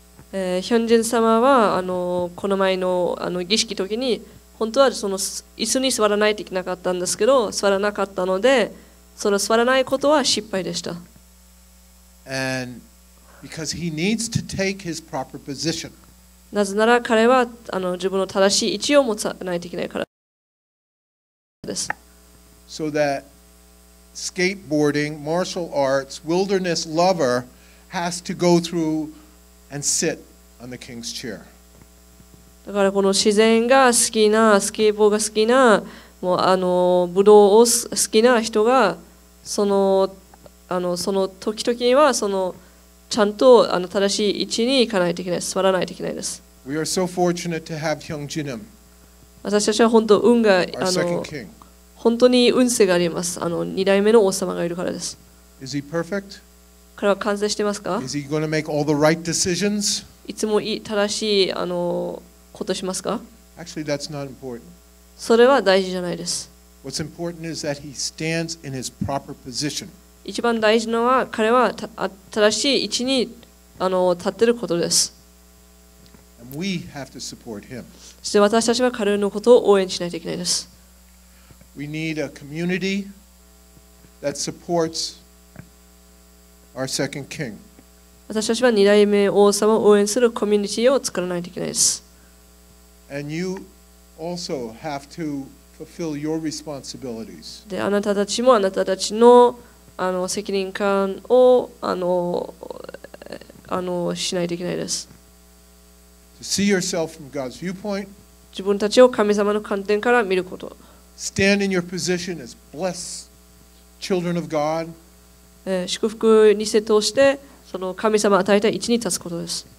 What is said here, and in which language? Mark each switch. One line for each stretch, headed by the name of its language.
Japanese: ヒョンジン様はあのこの前のあの儀式時に本当はその椅子に座らないといけなかったんですけど座らなかったのでその座らないことは失敗でした。
English: And because he needs to take his proper position.
Japanese: なぜなら彼はあの自分の正しい位置を持たないといけないから。
English: So that skateboarding, martial arts, wilderness lover has to go through and sit on the king's chair.
Japanese: だからこの自然が好きな、スケボーが好きな、もうあの武道を好きな人がその、あのその時々はそのちゃんとあの正しい位置に行かないといけない、座らないといけないです。
English: We are so fortunate to have Hyung Jin-im.
Japanese: 私たちは本当運があの本当に運勢があります。あの二代目の王様がいるからです。
English: Is he perfect?
Japanese: 彼は完成していますか
English: ？Is he going to make all the right decisions?
Japanese: いつも正しいあのことしますか
English: ？Actually, that's not important.
Japanese: それは大事じゃないです。
English: What's important is that he stands in his proper position.
Japanese: 一番大事のは彼は正しい位置にあの立っていることです。
English: And we have to support him.
Japanese: そして私たちは彼のことを応援しないといけないです。
English: We need a community that supports our second king.
Japanese: 私たちは二代目王様を応援するコミュニティを作らないといけないです。
English: And you also have to fulfill your responsibilities.
Japanese: で、あなたたちもあなたたちの、あの責任感をあのしないといけないです。
English: To see yourself from God's viewpoint.
Japanese: 自分たちを神様の観点から見ること。
English: Stand in your position as blessed children of God.
Japanese: 祝福に接頭して、その神様を与えた位置に立つことです。